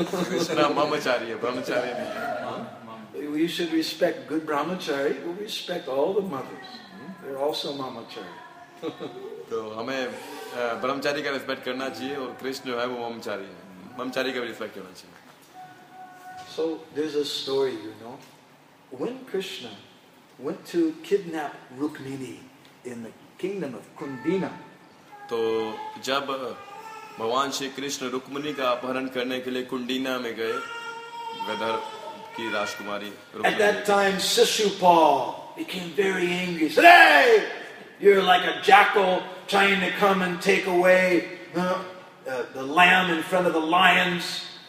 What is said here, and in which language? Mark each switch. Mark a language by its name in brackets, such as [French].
[Hindi] कृष्णा मामाचारी है, ब्रह्मचारी [English] नहीं. We should respect good brahmachari. We respect all the mothers. They're also mamachari. [Hindi] तो हमें ब्रह्मचारी का रिस्पेक्ट करना चाहिए और कृष्ण जो है वो ममचारी है, ममचारी का भी रिस्पेक्ट करना चाहिए. [English] So there's a story, you know, when Krishna went to kidnap Rukmini in the kingdom of Kundina. [Hindi] तो जब भगवान श्री कृष्ण रुक्मिणी का अपहरण करने के लिए कुंडीना में गए, गदर की राजकुमारी. [English] At that time, Shishupal became very angry. He said, "Hey! You're like a jackal trying to come and take away the lamb in front of the lions."